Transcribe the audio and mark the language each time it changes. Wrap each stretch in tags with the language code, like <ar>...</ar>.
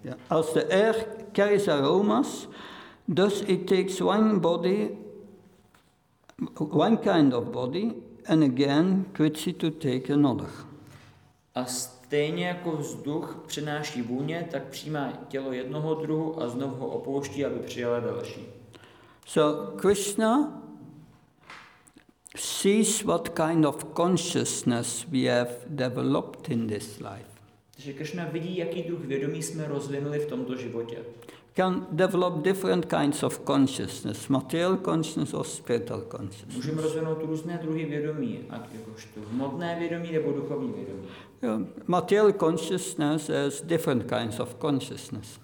<en>As the air carries aromas, thus it takes one kind of body, and again quits it to take another.</en> <cs>A stejně jako vzduch přenáší vůně, tak přijímá tělo jednoho druhu a znovu ho opouští, aby přijala další.</cs> <en>So Krishna sees what kind of consciousness we have developed in this life.</en> <cs>Takže Krishna vidí, jaký druh vědomí jsme rozvinuli v tomto životě.</cs> <en>Can develop different kinds of consciousness, material consciousness or spiritual consciousness.</en> <cs>Můžeme rozvinout různé druhy vědomí, ať jakožto hmotné vědomí nebo duchovní vědomí.</cs> <en>Material consciousness has different kinds of consciousness.</en>